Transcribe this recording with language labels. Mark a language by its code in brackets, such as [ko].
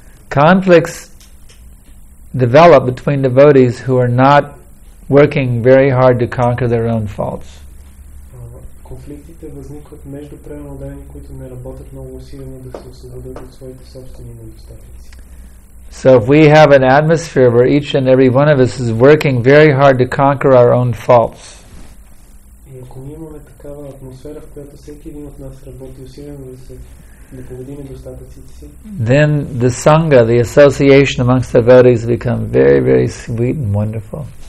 [en] Conflicts develop between devotees who are not working very hard to conquer their own faults. [bg] Конфликтите възникват между преродени, които не работят много усилено да се освободят от своите собствени недостатъци. [en] So if we have an atmosphere where each and every one of us is working very hard to conquer our own faults, then the Sangha, the association amongst devotees, become very, very sweet and wonderful.